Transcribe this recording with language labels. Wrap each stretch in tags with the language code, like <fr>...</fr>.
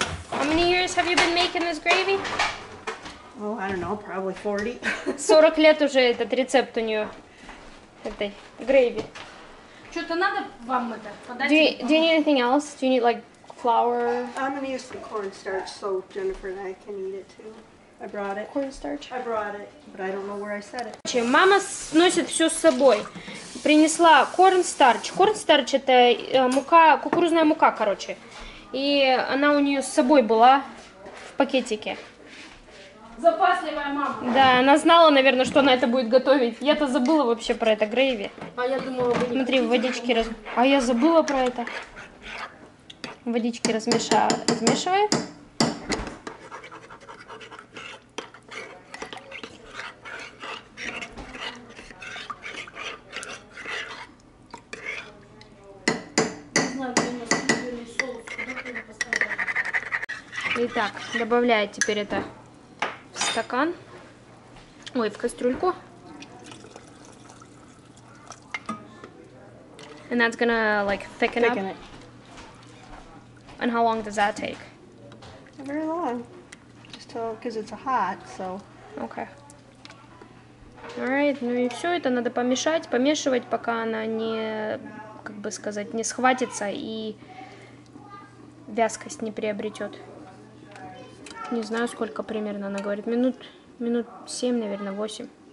<en>How many years have you been making this gravy? Well, I don't know, probably 40.</en> <ru>40 лет уже этот рецепт у нее, этой грейви. Что-то надо вам это подать?</ru> <en>Do you need anything else? Do you need, like, flour? I'm going to use some cornstarch so Jennifer and I can eat it, too. I brought it. Cornstarch? I brought it, but I don't know where I set it.</en> <ru>Че, мама носит все с собой. Принесла cornstarch. Cornstarch – это мука, кукурузная мука, короче. И она у нее с собой была в пакетике. Запасливая мама. Да, она знала, наверное, что она это будет готовить. Я-то забыла вообще про это грейви. А я думала, вы не... Смотри, в водичке А я забыла про это. В водичке размешаю. Итак, добавляю теперь это стакан. Ой, в кастрюльку.</ru> <en>And that's gonna, like, thicken up. And how long does that take? Not very long. Just till, because it's hot, so. Okay.</en> <ru>Alright, ну и все, это надо помешать, помешивать, пока она не, как бы сказать, не схватится и вязкость не приобретет. Не знаю, сколько примерно она говорит. Минут 7, наверное, 8.</ru>